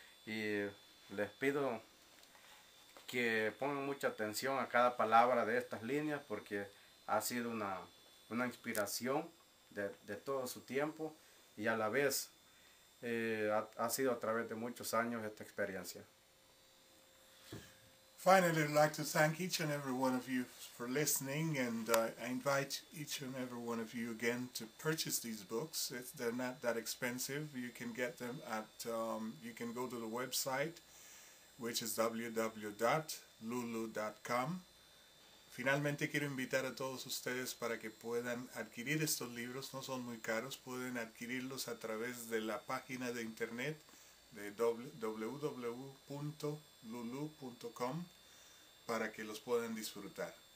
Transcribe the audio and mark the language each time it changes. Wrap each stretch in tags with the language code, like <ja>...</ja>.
<es>Y les pido que pongan mucha atención a cada palabra de estas líneas, porque ha sido una inspiración de todo su tiempo, y a la vez ha sido a través de muchos años esta experiencia.</es> <en>Finally, I'd like to thank each and every one of you for listening, and I invite each and every one of you again to purchase these books. They're not that expensive. You can get them at, you can go to the website, which is www.lulu.com.</en> <es>Finalmente, quiero invitar a todos ustedes para que puedan adquirir estos libros. No son muy caros. Pueden adquirirlos a través de la página de internet de www.lulu.com para que los puedan disfrutar.</es>